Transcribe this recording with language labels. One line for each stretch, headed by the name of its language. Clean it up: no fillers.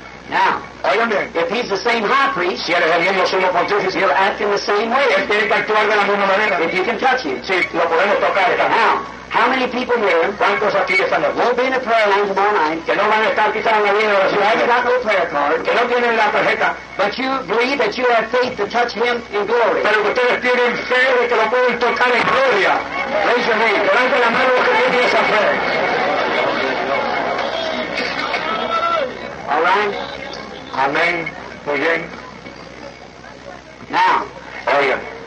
English: Now.
Spanish: Oigan bien.
English: If he's the same high priest.
Spanish: Si él es el mismo sumo pontífice.
English: He'll act in the same way.
Spanish: Él tiene que actuar de la misma manera.
English: If you can touch him.
Spanish: Si lo podemos tocar.
English: Now. How many people here?
Spanish: ¿Cuántos aquí están?
English: Won't be in a prayer line tomorrow night.
Spanish: Que no van a estar quizás en la línea de oración.
English: You haven't got no prayer card.
Spanish: Que no tienen la tarjeta.
English: But you believe that you have faith to touch him in glory.
Spanish: Pero ustedes tienen fe de que lo pueden tocar en gloria.
English: Raise your hand.
Spanish: Levanten la mano los que tienen esa fe.
English: All right.
Spanish: Amén. Muy bien.
English: Now.
Spanish: Oigan.